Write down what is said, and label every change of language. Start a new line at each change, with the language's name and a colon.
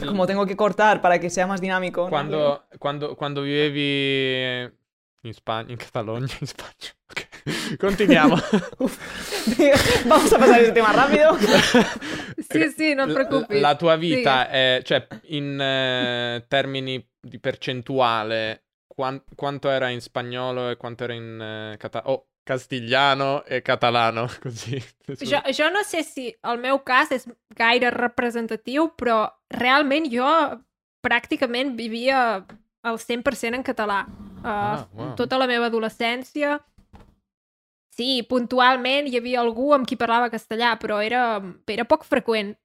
Spanish: que, como tengo que cortar para que sea más dinámico...
Italian: Quando vivevi... In Spagna, in Catalogna, in Spagna. Okay. Continuiamo.
Spanish: Vamos a
Italian: passare il tema rapido. Sì, sì, non preoccupi. La tua vita, è, cioè, in termini di percentuale, quanto era in spagnolo e quanto era in catalano? Oh, castigliano e catalano, così.
Catalan: Jo no sé si el meu cas és gaire representatiu, però realment jo pràcticament vivia al 100% en català. Tota la meva adolescència, sí, puntualment hi havia algú amb qui parlava castellà, però era poc freqüent.